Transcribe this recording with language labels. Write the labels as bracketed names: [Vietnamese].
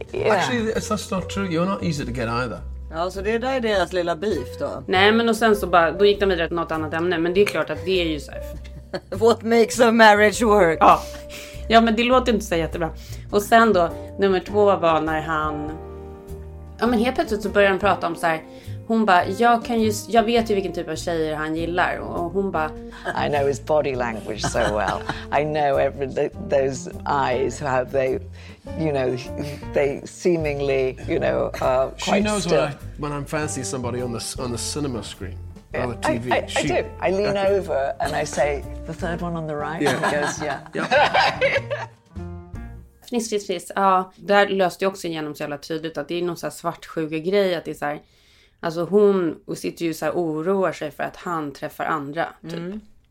[English] Actually, that's not true. You're not easy to get either. [Swedish] Ja, så det där är deras lilla beef då. Nej, men och sen så bara, då gick de vidare till något annat ämne. Men det är klart att det är ju så här. [English] What makes a marriage work? [Swedish] Ja. Ja, men det låter inte så jättebra. Och sen då, nummer två var när han... Ja, men helt plötsligt så började han prata om så här. Hon bara, jag vet ju vilken typ av tjejer han gillar. Och hon bara... [English] I know his body language so well. I know those eyes, how they... You know, they seemingly, you know, are quite still. She knows when I'm fancy somebody on the cinema screen, yeah. Or the TV. I do. I lean over and I say, the third one on the right? Yeah. And he goes, yeah. [Swedish] Fniss. Ja, där löste jag också igenom så jävla tydligt att det är någon så här svartsjuka grej. Att det är så här, alltså hon sitter ju så här oroar sig för att han träffar andra, typ. Mm.